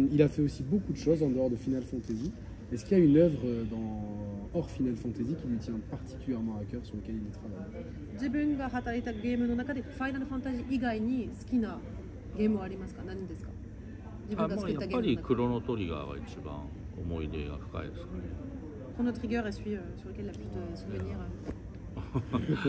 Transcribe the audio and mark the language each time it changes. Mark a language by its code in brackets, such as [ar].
[fr] Il a fait aussi beaucoup de choses en dehors de Final Fantasy. Est-ce qu'il y a une œuvre hors Final Fantasy qui lui tient particulièrement à cœur, sur lequel il travaille ? [ja] 自分が働いたゲームの中で Final Fantasy 以外に好きなゲームはありますか？何ですか？自分が作ったゲーム。やっぱりクロノトリガーが一番思い出が深いですかね。このトリガーは [fr] celui sur lequel la plus de souvenirs.